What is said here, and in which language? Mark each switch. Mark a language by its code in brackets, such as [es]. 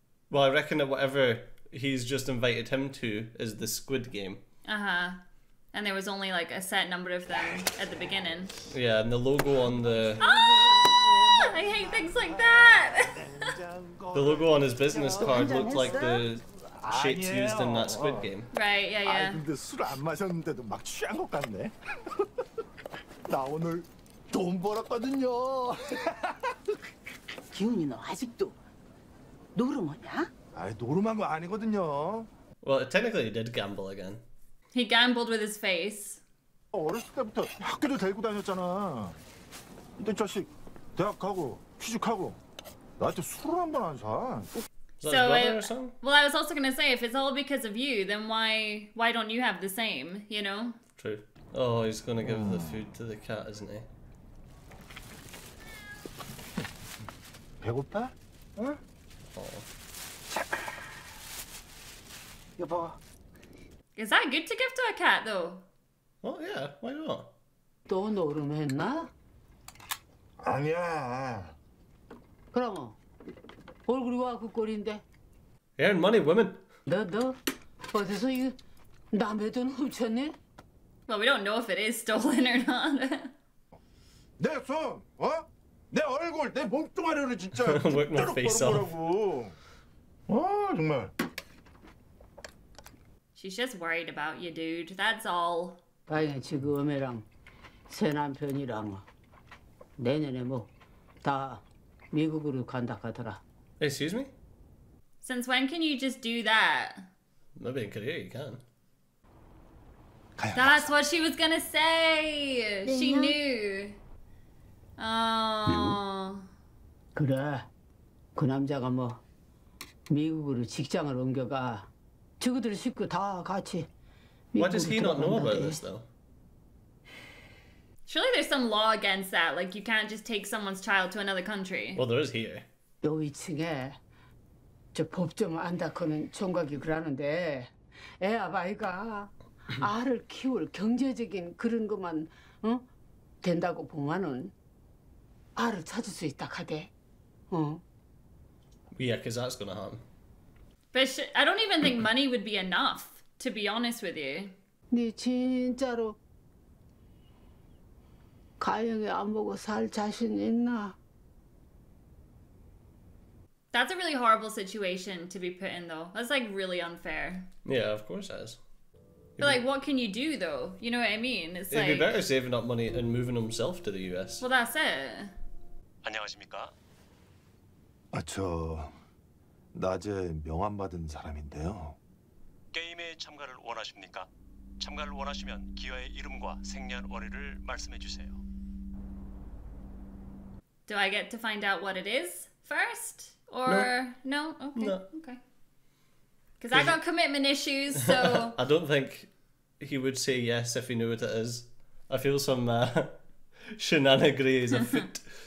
[en] Well, I reckon that whatever he's just invited him to is the Squid Game. Uh-huh. And there was only, like, a set number of them at the beginning. Yeah, and the logo on the... Ah! I hate things like that! The logo on his business card looked like the shapes used in that Squid Game. Right, yeah, yeah. [ko] 근데 술 안 마셨는데도 막 취한 것 같네. 나 오늘 돈 벌었거든요. 기훈이 너 아직도 노름하냐? 아니, 노름한 거 아니거든요. [en] Well, technically he did gamble again. He gambled with his face. [ko] 어렸을 때부터 학교도 데리고 다녔잖아. 근데 자식 대학 가고 취직하고 나한테 술을 한 번 안 사. [en] So, well, I was also gonna say, if it's all because of you, then why don't you have the same, you know? True. Oh, he's gonna give the food to the cat, isn't he? [ko] 배고파? 응? 여보. [en] Is that good to give to a cat, though? Well, yeah, why not? [ko] 또 노름했나? 아니야. 그럼. 얼굴이 와 그 꼴인데. [en] Earn money, women. [ko] 너 어디서 이 남의 돈 훔쳤니? [en] Well, we don't know if it is stolen or not. [ko] 내 손, 어? 내 얼굴, 내 몸뚱아리를 진짜. [en] Work my face off. [ko] 아 정말. [en] She's just worried about you, dude. That's all. [ko] 아니 지금이랑 새 남편이랑 내년에 뭐 다 미국으로 간다 하더라. [en] Excuse me? Since when can you just do that? Maybe in Korea you can. That's what she was gonna say! She knew! [ko] Oh. 그래. 그 남자가 뭐 미국으로 직장을 옮겨가. 친구들 식구 다 같이. [en] Why does he not know about this though? Surely there's some law against that. Like you can't just take someone's child to another country. Well, there is here. [ko] 요 2층에 저 법정 안다커는 총각이 그러는데 애 아바이가 알을 키울 경제적인 그런 것만 어? 된다고 보면은 알을 찾을 수 있다 카데 어? [en] Yeah, cause that's gonna happen. But I don't even think money would be enough, to be honest with you. [ko] 네 진짜로 가영이 안 보고 살 자신 있나? [en] That's a really horrible situation to be put in, though. That's, like, really unfair. Yeah, of course it is. But, like, what can you do, though? You know what I mean? It's It'd like... be better saving up money and moving himself to the US. Well, that's it. [ko] 안녕하십니까? 아, 저... 낮에 명함 받은 사람인데요. 게임에 참가를 원하십니까? 참가를 원하시면 기여의 이름과 생년월일을 말씀해 주세요. [en] Do I get to find out what it is first? Or, no. Okay. Because I got commitment issues, so... I don't think he would say yes if he knew what it is. I feel some shenanigans afoot.